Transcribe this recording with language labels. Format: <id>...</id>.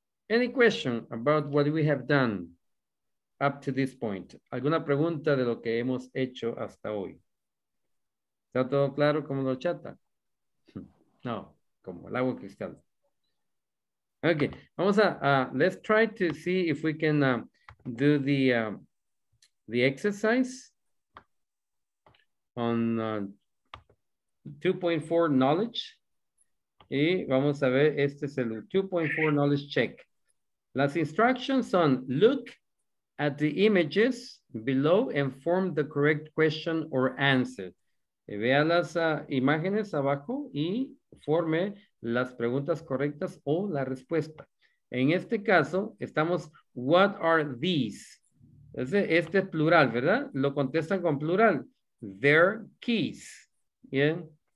<en>Any question about what we have done up to this point?</en> <es>¿Alguna pregunta de lo que hemos hecho hasta hoy? ¿Está todo claro como lo chata? No, como el agua cristal. Okay, vamos a,</es> <en>let's try to see if we can do the exercise on 2.4 knowledge.</en> <es>Y vamos a ver, este es el 2.4 knowledge check. Las</es> <en>instructions son, look at the images below and form the correct question or answer.</en> <es>Vea las imágenes abajo y forme las preguntas correctas o la respuesta. En este caso, estamos,</es> <en>what are these?</en> <es>Este es plural, ¿verdad? Lo contestan con plural.</es> <en>Their keys.</en> <es>Bien.</es>